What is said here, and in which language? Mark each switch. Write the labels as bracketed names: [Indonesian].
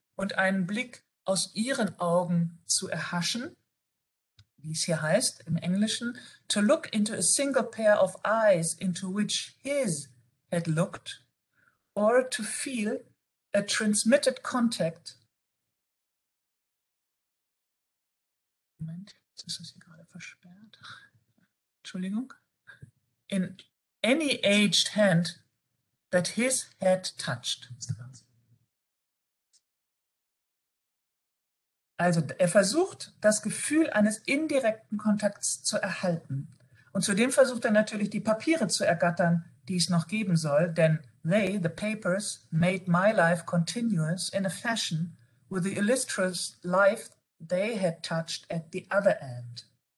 [German] und einen Blick aus ihren Augen zu erhaschen, wie es hier heißt im Englischen, [English] to look into a single pair of eyes into which his had looked, or to feel a transmitted contact. [German] Moment, jetzt ist das hier gerade versperrt. Entschuldigung. [English] In any aged hand that his had touched. [German] Also er versucht, das Gefühl eines indirekten Kontakts zu erhalten. Und zudem versucht er natürlich, die Papiere zu ergattern, die es noch geben soll, denn [English] they, the papers, made my life continuous in a fashion with the illustrious life they had touched at the other end.